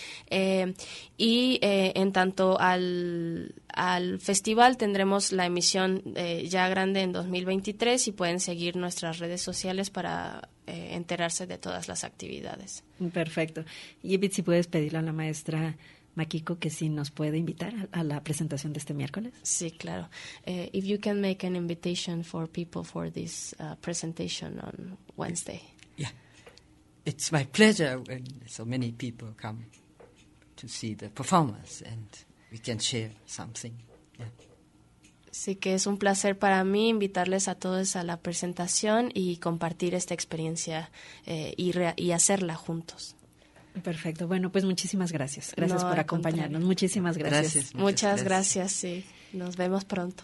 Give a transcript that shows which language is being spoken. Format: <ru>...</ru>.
<es>Y en tanto al festival, tendremos la emisión ya grande en 2023, y pueden seguir nuestras redes sociales para enterarse de todas las actividades. Perfecto. Y si puedes pedirle a la maestra Makiko que si nos puede invitar a la presentación de este miércoles. Sí, claro.</es> <en>If you can make an invitation for people for this presentation on Wednesday. Yeah. It's my pleasure when so many people come to see the performance and we can share something.</en> <es>Sí, que es un placer para mí invitarles a todos a la presentación y compartir esta experiencia y hacerla juntos. Perfecto. Bueno, pues muchísimas gracias. Gracias por acompañarnos. Contrario. Muchísimas gracias. Muchas gracias, sí. Nos vemos pronto.</es>